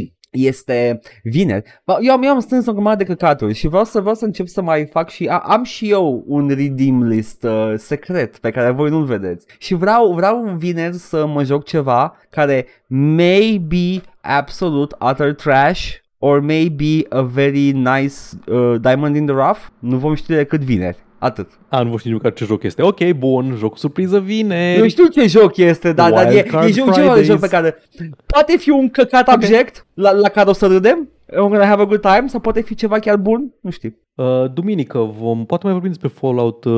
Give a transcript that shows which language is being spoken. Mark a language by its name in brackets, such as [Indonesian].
[Romanian] Este vineri. Eu am strâns o grămadă de căcaturi și vreau să încep să mai fac și am și eu un redeem list secret pe care voi nu-l vedeți. Și vreau vineri să mă joc ceva care [English] may be absolute utter trash, or maybe a very nice diamond in the rough. [Romanian] Nu vom ști de cât vine. Atât. A, nu știu nimic ce joc este. Ok, bun, joc surpriză vine. Nu știu ce joc este, dar e ceva de joc pe care... Poate fi un căcat abject la care o să râdem. [English] I'm gonna have a good time. [Romanian] Sau poate fi ceva chiar bun. Nu știu. Duminică, poate mai vorbim despre Fallout.